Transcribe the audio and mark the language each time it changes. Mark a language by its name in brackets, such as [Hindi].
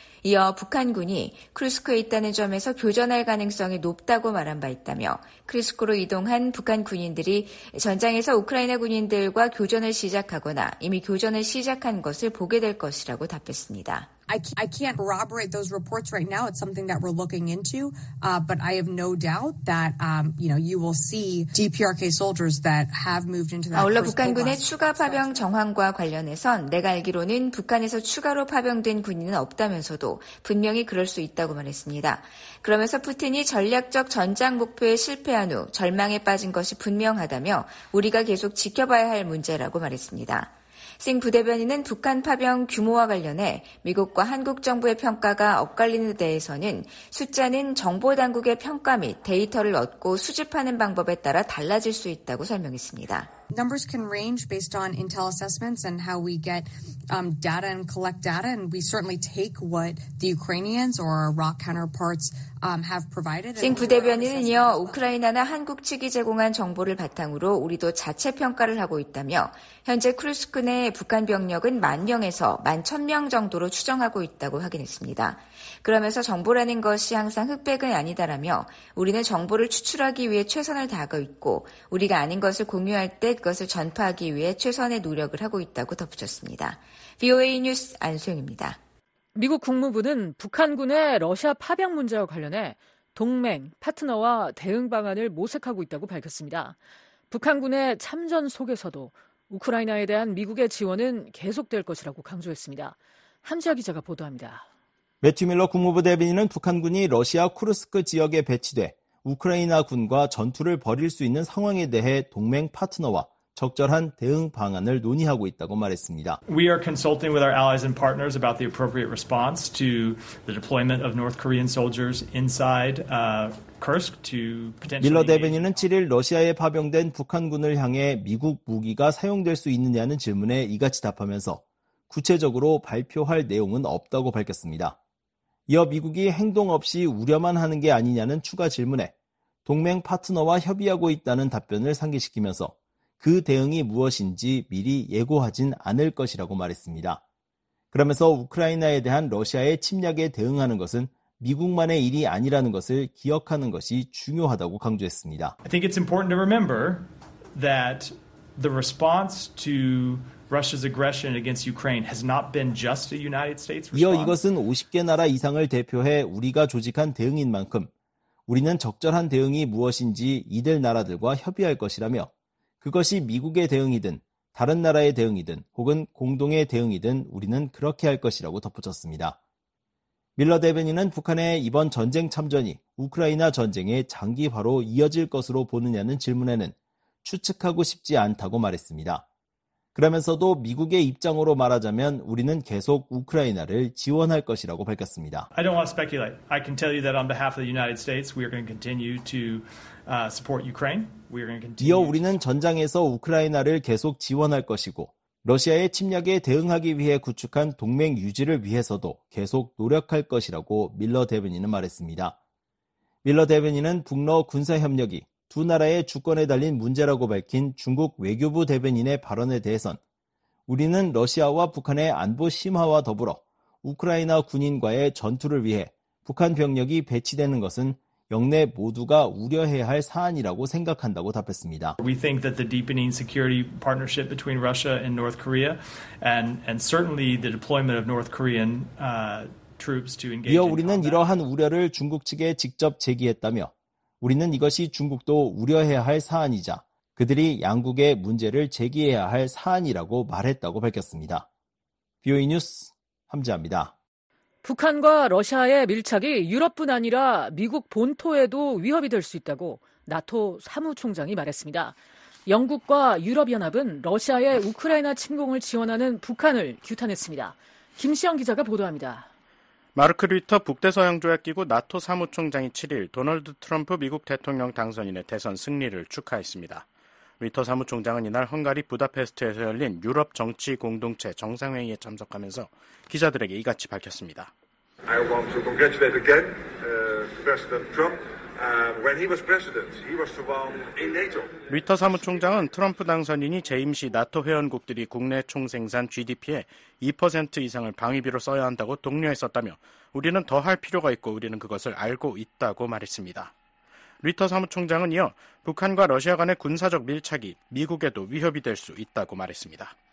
[Korean] 이어 북한군이 쿠르스크에 있다는 점에서 교전할 가능성이 높다고 말한 바 있다며 쿠르스크로 이동한 북한 군인들이 전장에서 우크라이나 군인들과 교전을 시작하거나 이미 교전을 시작한 것을 보게 될 것이라고 답했습니다. [English] I can't corroborate those reports right now. It's something that we're looking into, but I have no doubt that you know you will see DPRK soldiers that have moved into that. [Korean] 아울러 북한군의 추가 파병 정황과 관련해선 내가 알기로는 북한에서 추가로 파병된 군인은 없다면서도 분명히 그럴 수 있다고 말했습니다. 그러면서 푸틴이 전략적 전장 목표에 실패한 후 절망에 빠진 것이 분명하다며 우리가 계속 지켜봐야 할 문제라고 말했습니다. 싱 부대변인은 북한 파병 규모와 관련해 미국과 한국 정부의 평가가 엇갈리는 데 대해서는 숫자는 정보 당국의 평가 및 데이터를 얻고 수집하는 방법에 따라 달라질 수 있다고 설명했습니다. [English] Numbers can range based on intel assessments and how we get data and collect data, and we certainly take what the Ukrainians or our Iraq counterparts have provided. [Korean] 싱 부대변인은 이어 우크라이나나 한국 측이 제공한 정보를 바탕으로 우리도 자체 평가를 하고 있다며 현재 쿠르스크 내 북한 병력은 만 명에서 만 천 명 정도로 추정하고 있다고 확인했습니다. 그러면서 정보라는 것이 항상 흑백은 아니다라며 우리는 정보를 추출하기 위해 최선을 다하고 있고 우리가 아는 것을 공유할 때 그것을 전파하기 위해 최선의 노력을 하고 있다고 덧붙였습니다. VOA 뉴스 안소영입니다. 미국 국무부는 북한군의 러시아 파병 문제와 관련해 동맹, 파트너와 대응 방안을 모색하고 있다고 밝혔습니다. 북한군의 참전 속에서도 우크라이나에 대한 미국의 지원은 계속될 것이라고 강조했습니다. 한지아 기자가 보도합니다. 매튜 밀러 국무부 대변인은 북한군이 러시아 쿠르스크 지역에 배치돼 우크라이나 군과 전투를 벌일 수 있는 상황에 대해 동맹 파트너와 적절한 대응 방안을 논의하고 있다고 말했습니다. [English] We are consulting with our allies and partners about the appropriate response to the deployment of North Korean soldiers inside Kursk to potentially. [Korean] 밀러 대변인은 7일 러시아에 파병된 북한군을 향해 미국 무기가 사용될 수 있느냐는 질문에 이같이 답하면서 구체적으로 발표할 내용은 없다고 밝혔습니다. 이어 미국이 행동 없이 우려만 하는 게 아니냐는 추가 질문에 동맹 파트너와 협의하고 있다는 답변을 상기시키면서 그 대응이 무엇인지 미리 예고하진 않을 것이라고 말했습니다. 그러면서 우크라이나에 대한 러시아의 침략에 대응하는 것은 미국만의 일이 아니라는 것을 기억하는 것이 중요하다고 강조했습니다. [English] I think it's important to remember that the response to Russia's aggression against Ukraine has not been just a United States response. [Korean] 이어 이것은 50개 나라 이상을 대표해 우리가 조직한 대응인 만큼 우리는 적절한 대응이 무엇인지 이들 나라들과 협의할 것이라며 그것이 미국의 대응이든 다른 나라의 대응이든 혹은 공동의 대응이든 우리는 그렇게 할 것이라고 덧붙였습니다. 밀러 대변인은 북한의 이번 전쟁 참전이 우크라이나 전쟁의 장기화로 이어질 것으로 보느냐는 질문에는 추측하고 싶지 않다고 말했습니다. 그러면서도 미국의 입장으로 말하자면 우리는 계속 우크라이나를 지원할 것이라고 밝혔습니다. [English] I don't want to speculate. I can tell you that on behalf of the United States, we are going to continue to support Ukraine. We are going to continue. [Korean] 이어 우리는 전장에서 우크라이나를 계속 지원할 것이고 러시아의 침략에 대응하기 위해 구축한 동맹 유지를 위해서도 계속 노력할 것이라고 밀러 대변인은 말했습니다. 밀러 대변인은 북러 군사 협력이 두 나라의 주권에 달린 문제라고 밝힌 중국 외교부 대변인의 발언에 대해선 우리는 러시아와 북한의 안보 심화와 더불어 우크라이나 군인과의 전투를 위해 북한 병력이 배치되는 것은 영내 모두가 우려해야 할 사안이라고 생각한다고 답했습니다. [English] We think that the deepening security partnership between Russia and North Korea and certainly the deployment of North Korean troops to engage. [Korean] 이어 우리는 이러한 우려를 중국 측에 직접 제기했다며 우리는 이것이 중국도 우려해야 할 사안이자 그들이 양국의 문제를 제기해야 할 사안이라고 말했다고 밝혔습니다. BOE 뉴스 함지아입니다. 북한과 러시아의 밀착이 유럽뿐 아니라 미국 본토에도 위협이 될 수 있다고 나토 사무총장이 말했습니다. 영국과 유럽연합은 러시아의 우크라이나 침공을 지원하는 북한을 규탄했습니다. 김시영 기자가 보도합니다. 마르크 리터 북대서양조약기구 나토 사무총장이 7일 도널드 트럼프 미국 대통령 당선인의 대선 승리를 축하했습니다. 리터 사무총장은 이날 헝가리 부다페스트에서 열린 유럽 정치 공동체 정상회의에 참석하면서 기자들에게 이같이 밝혔습니다. [English] I want to congratulate again President Trump. When he was president, he was the one in NATO. [Korean] 리터 사무총장은 트럼프 당선인이 재임 시 나토 회원국들이 국내 총 생산 GDP의 2% 이상을 방위비로 써야 한다고 독려했었다며 우리는 더 할 필요가 있고 우리는 그것을 알고 있다고 말했습니다. 리터 사무총장은 이어 북한과 러시아 간의 군사적 밀착이 미국에도 위협이 될 수 있다고 말했습니다.